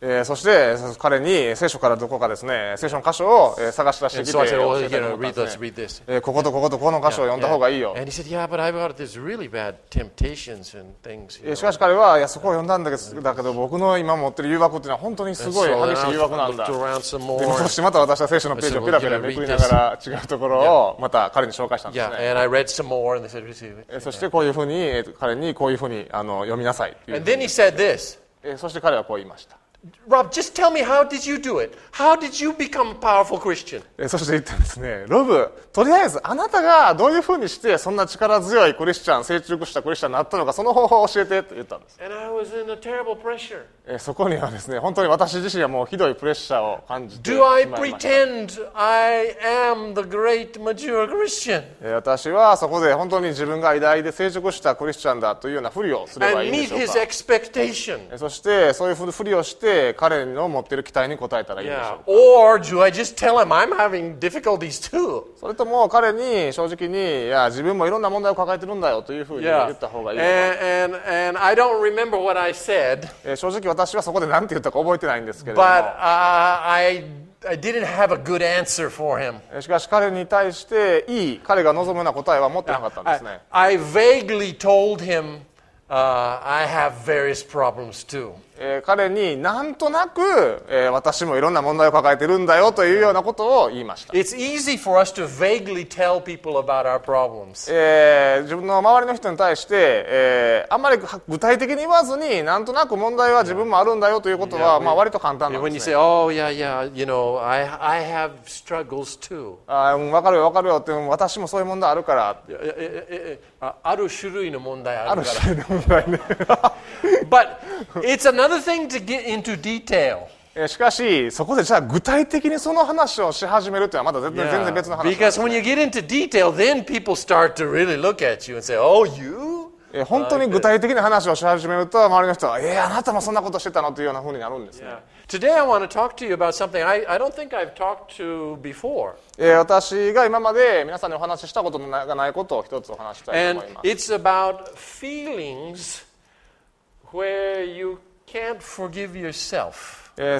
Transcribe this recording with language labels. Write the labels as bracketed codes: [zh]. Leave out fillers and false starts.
[ja] そして彼に聖書からどこかですね、聖書の箇所を探し出してきて教えてもらったんですね。こことこことこの箇所を読んだ方がいいよ。 [en] And he said, yeah, but I've got these really bad temptations and things. [ja] しかし彼はいやそこを読んだんだけど、僕の今持ってる誘惑っていうのは本当にすごい激しい誘惑なんだ。でそしてまた私は聖書のページをペラペラめくりながら違うところをまた彼に紹介したんですね。そしてこういうふうに彼にこういうふうに読みなさいっていう。 [en] And then he said this. [ja] そして彼はこう言いました。 [en] Rob, just tell me how did you do it? How did you become a powerful Christian? [ja] そして言ったんですね。ロブ、とりあえずあなたがどういうふうにしてそんな力強いクリスチャン、成熟したクリスチャンになったのか、その方法を教えてと言ったんです。 [en] And I was in a terrible pressure. [ja] そこにはですね、本当に私自身はもうひどいプレッシャーを感じてしまいました [en] 。 Do I pretend I am the great mature Christian? [ja] 私はそこで本当に自分が偉大で成熟したクリスチャンだというようなふりをすればいいんでしょうか。 [en] And meet his expectation. [ja] そしてそういうふりをして彼の持っている期待に応えたらいいでしょうか。 [en] Yeah. Or do I just tell him I'm having difficulties too? [ja] それとも彼に正直にいや自分もいろんな問題を抱えてるんだよというふうに言った方がいいのか。 [en] Yeah. And I don't remember what I said. [ja] 正直私はそこで何て言ったか覚えてないんですけれども [en] But, I didn't have a good answer for him. [ja] しかし彼に対していい彼が望むような答えは持ってなかったんですね。 [en] I vaguely told himI have various problems too. [ja] 彼になんとなく、私もいろんな問題を抱えてるんだよというようなことを言いました。 [en] It's easy for us to vaguely tell people about our problems. [ja] 自分の周りの人に対して、あんまり具体的に言わずになんとなく問題は自分もあるんだよということは、まあ割と簡単なんですね。 [en] When you say, oh yeah, yeah, you know, I have struggles too. [ja] わかるよわかるよって私もそういう問題あるから。ある種類の問題あるから。ある種類の問題ね。 [en] But it's another thing to get into detail. [ja] しかし、そこでじゃあ具体的にその話をし始めるというのはまだ全然別の話。 [en] Because when you get into detail, then people start to really look at you and say, oh, you? [ja] 本当に具体的な話をし始めると周りの人は、あなたもそんなことしてたのというような風になるんですね。 [en] Today I want to talk to you about something I don't think I've talked to before. [ja] 私が今まで皆さんにお話ししたことがないことを一つお話したいと思います。 [en] And it's about feelings where you can't forgive yourself.